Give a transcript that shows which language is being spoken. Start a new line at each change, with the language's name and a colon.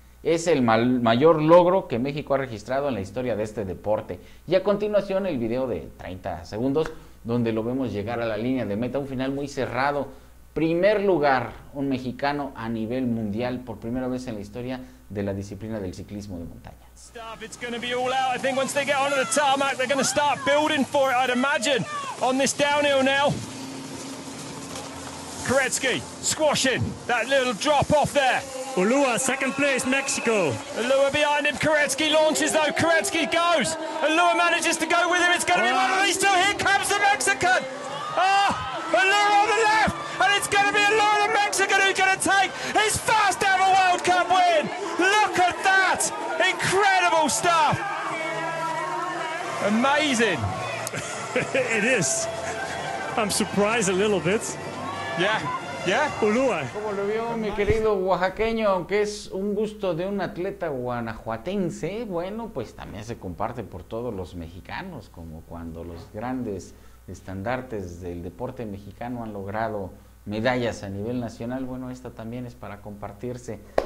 Spanish: Es el mayor logro que México ha registrado en la historia de este deporte. Y a continuación el video de 30 segundos donde lo vemos llegar a la línea de meta, un final muy cerrado. Primer lugar, un mexicano a nivel mundial por primera vez en la historia de la disciplina del ciclismo de montaña.
English: It's going to be all out. I think once they get onto the tarmac, they're going to start building for it, I'd imagine, on this downhill now. Koretsky squashing that little drop off there. Ulloa, second place, Mexico. Ulloa behind him. Koretsky launches though. Koretsky goes. Ulloa manages to go with him. It's going to be one of these two. Here comes the Mexican. Oh, Ulloa on the left. And it's going to be Ulloa, the Mexican, who's going to take his first ever World Cup win. Look at that. Incredible stuff. Amazing. It is. I'm surprised a little bit. Yeah.
Spanish: ¿Ya?
English: Ulloa.
Spanish: Como lo vio mi querido oaxaqueño, que es un gusto de un atleta guanajuatense, bueno, pues también se comparte por todos los mexicanos, como cuando los grandes estandartes del deporte mexicano han logrado medallas a nivel nacional, bueno, esta también es para compartirse.